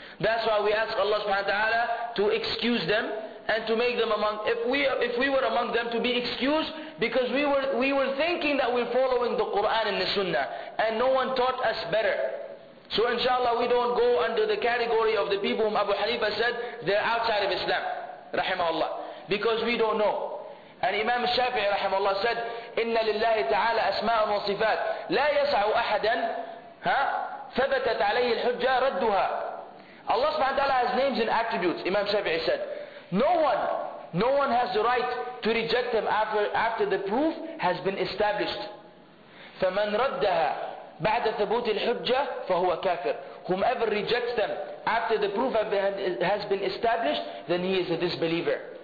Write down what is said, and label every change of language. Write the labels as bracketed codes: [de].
[en] That's why we ask Allah subhanahu wa ta'ala to excuse them and to make them among, if we were among them, to be excused, because we were thinking that we're following the Quran and the Sunnah, and no one taught us better. So inshallah, we don't go under the category of the people whom Abu Hanifa said, they're outside of Islam, rahimahullah, because we don't know. And Imam Shafi'i rahimahullah said, [ar] إِنَّ لِلَّهِ تَعَالَى أَسْمَاءً وَصِفَاتٍ لَا يَسْعُ أَحَدًا ثَبَتَتْ عَلَيْهِ الْحُجَّةِ رَدُّهَا. [en] Allah subhanahu wa ta'ala has names and attributes, Imam Shafi'i said. No one has the right to reject them after the proof has been established. [ar] فَمَنْ رَدَّهَا بَعْدَ ثَبُوتِ الْحُجَّةِ فَهُوَ كَافِرٌ. [en] Whomever rejects them after the proof has been established, then he is a disbeliever.